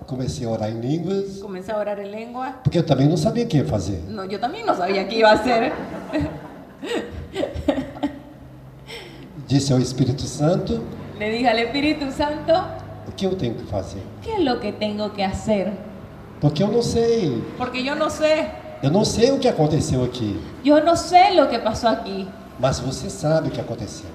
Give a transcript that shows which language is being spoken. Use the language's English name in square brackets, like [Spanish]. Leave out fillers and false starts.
[Portuguese] Comecei a orar em línguas. Comecei a orar em língua. Porque eu também não sabia o que ia fazer. [Spanish] No, yo también no sabía qué iba a hacer. [Portuguese] Disse ao Espírito Santo. [Spanish] Le dije al Espíritu Santo. [Portuguese] O que eu tenho que fazer? [Spanish] ¿Qué es lo que tengo que hacer? [Portuguese] Porque eu não sei. [Spanish] Porque yo no sé. [Portuguese] Eu não sei o que aconteceu aqui. [Spanish] Yo no sé lo que pasó aquí. [Portuguese] Mas você sabe o que aconteceu.